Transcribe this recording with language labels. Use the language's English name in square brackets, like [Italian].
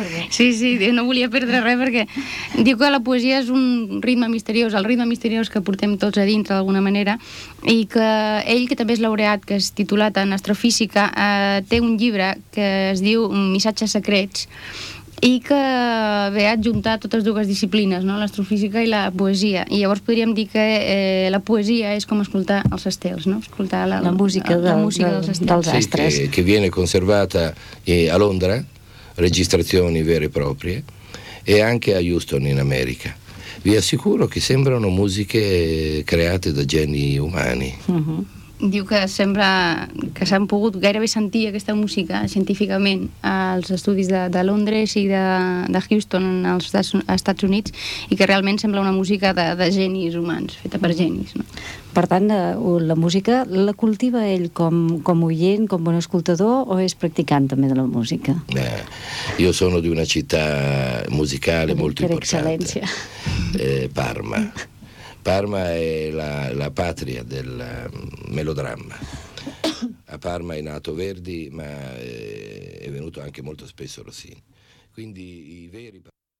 [Catalan] Sí, no volia perdre res, perquè diu que la poesia és un ritme misteriós, el ritme misteriós que portem tots a dintre d'alguna manera, i que ell, que també és laureat, que és titulat en astrofísica, té un llibre que es diu Missatges secrets, i que ve a adjuntar totes dues disciplines, no? L'astrofísica i la poesia. I llavors podríem dir que la poesia és com escoltar els estels, no? Escoltar la música dels estels. Sí, astres. [Italian] Che viene conservata a Londra, registrazioni vere e proprie, e anche a Houston in America. Vi assicuro che sembrano musiche create da geni umani. Uh-huh. [Catalan] Diu que sembla que s'han pogut gairebé sentir aquesta música científicament als estudis de Londres i de Houston als Estats Units, i que realment sembla una música de genis humans, feta per genis, no? Per tant, la música la cultiva ell com oient, com un escoltador, o és practicant també de la música? [Italian] Io sono di una città musicale molto importante. [Catalan] Per excel·lència. [Italian] Parma. Parma è la patria del melodramma. A Parma è nato Verdi, ma è venuto anche molto spesso Rossini. Quindi i veri